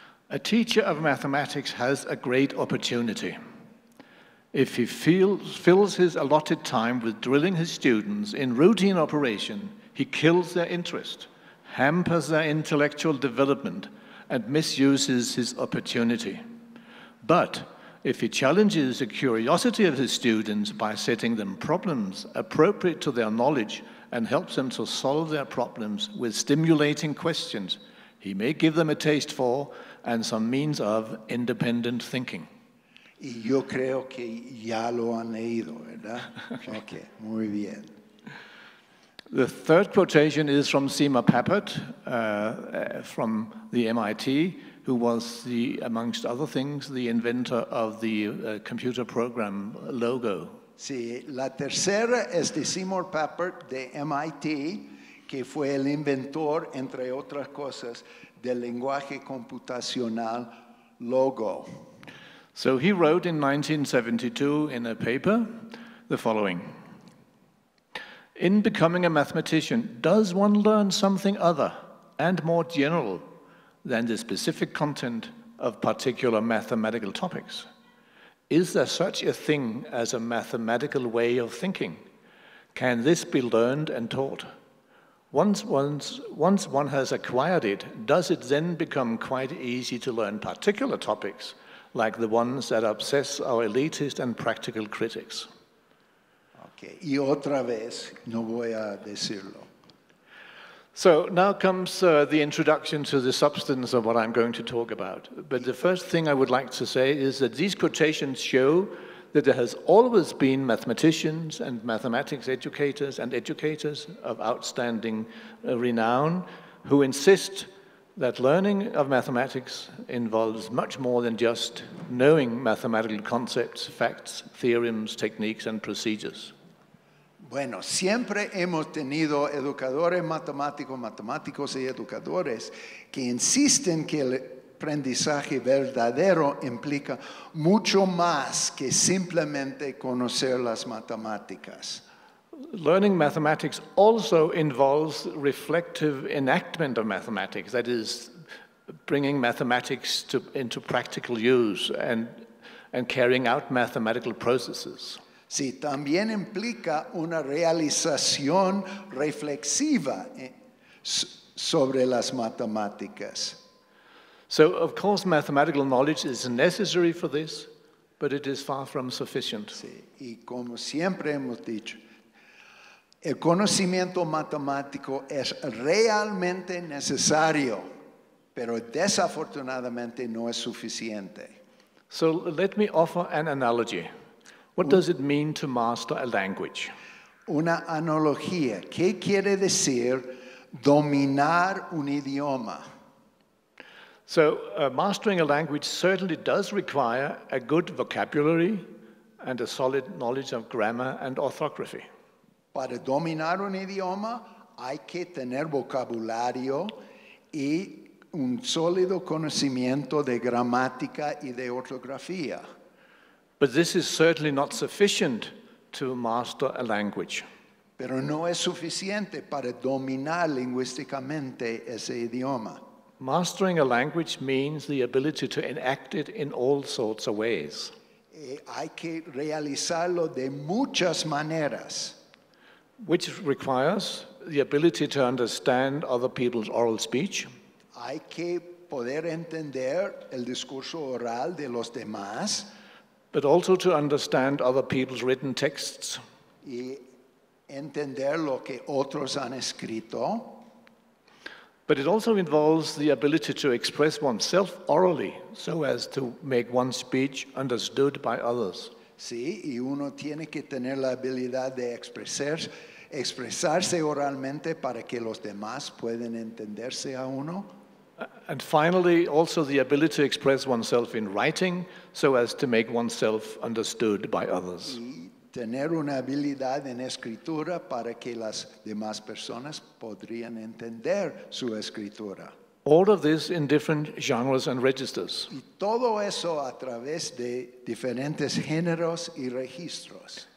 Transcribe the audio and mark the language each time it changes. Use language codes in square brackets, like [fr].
[en] A teacher of mathematics has a great opportunity. If he fills his allotted time with drilling his students in routine operation, he kills their interest, hampers their intellectual development, and misuses his opportunity. But if he challenges the curiosity of his students by setting them problems appropriate to their knowledge and helps them to solve their problems with stimulating questions, he may give them a taste for and some means of independent thinking. [es] Y yo creo que ya lo han leído, ¿verdad? Okay, muy bien. [en] The third quotation is from Seema Papert, from the MIT. who was the, amongst other things, the inventor of the computer program logo. [es] Sí, la tercera es de Seymour Papert de MIT, que fue el inventor, entre otras cosas, del lenguaje computacional logo. [en] So he wrote in 1972 in a paper the following. In becoming a mathematician, does one learn something other and more general than the specific content of particular mathematical topics? Is there such a thing as a mathematical way of thinking? Can this be learned and taught? Once one has acquired it, does it then become quite easy to learn particular topics like the ones that obsess our elitist and practical critics? [es] Okay, y otra vez, no voy a decirlo. [en] So now comes the introduction to the substance of what I'm going to talk about. But the first thing I would like to say is that these quotations show that there has always been mathematicians and mathematics educators and educators of outstanding renown who insist that learning of mathematics involves much more than just knowing mathematical concepts, facts, theorems, techniques, and procedures. [es] Bueno, siempre hemos tenido educadores matemáticos, matemáticos y educadores que insisten que el aprendizaje verdadero implica mucho más que simplemente conocer las matemáticas. [en] Learning mathematics also involves reflective enactment of mathematics, that is, bringing mathematics into practical use and carrying out mathematical processes. [es] Sí, también implica una realización reflexiva sobre las matemáticas. [en] So, of course, mathematical knowledge is necessary for this, but it is far from sufficient. [es] Sí, y como siempre hemos dicho, el conocimiento matemático es realmente necesario, pero desafortunadamente no es suficiente. [en] So, let me offer an analogy. What does it mean to master a language? [es] Una analogía. ¿Qué quiere decir dominar un idioma? [en] So, mastering a language certainly does require a good vocabulary and a solid knowledge of grammar and orthography. [es] Para dominar un idioma hay que tener vocabulario y un sólido conocimiento de gramática y de ortografía. [en] But this is certainly not sufficient to master a language. [es] Pero no es suficiente para dominar lingüísticamente ese idioma. [en] Mastering a language means the ability to enact it in all sorts of ways. [es] Hay que realizarlo de muchas maneras. [en] Which requires the ability to understand other people's oral speech. [es] Hay que poder entender el discurso oral de los demás. [en] But also to understand other people's written texts. [es] Y entender lo que otros han escrito. [en] But it also involves the ability to express oneself orally so as to make one's speech understood by others. [es] Sí, y uno tiene que tener la habilidad de expresarse oralmente para que los demás puedan entenderse a uno. [en] And finally, also the ability to express oneself in writing so as to make oneself understood by others. [es] Y tener una habilidad en escritura para que las demás personas podrían entender su escritura. [en] All of this in different genres and registers. [es] Y todo eso a través de diferentes géneros y registros.